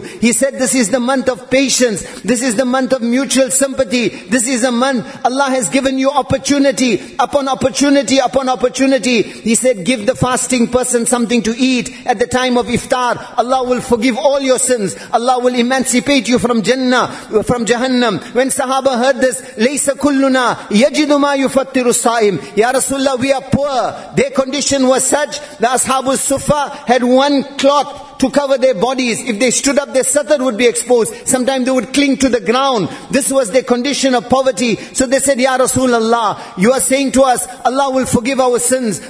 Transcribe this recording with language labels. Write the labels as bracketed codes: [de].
[en] He said this is the month of patience. This is the month of mutual sympathy. This is a month Allah has given you opportunity upon opportunity upon opportunity. He said, give the fasting person something to eat at the time of iftar. Allah will forgive all your sins. Allah will emancipate you from Jannah, from Jahannam. When Sahaba heard this, [ar] لَيْسَ كُلُّنَا يَجِدُ مَا يُفَتِّرُ السَّائِمِ. [en] Ya Rasulullah, we are poor. Their condition was such, the Ashab al-Suffa had one cloth to cover their bodies. If they stood up, their satr would be exposed. Sometimes they would cling to the ground. This was their condition of poverty. So they said, Ya Rasulullah, you are saying to us, Allah will forgive our sins.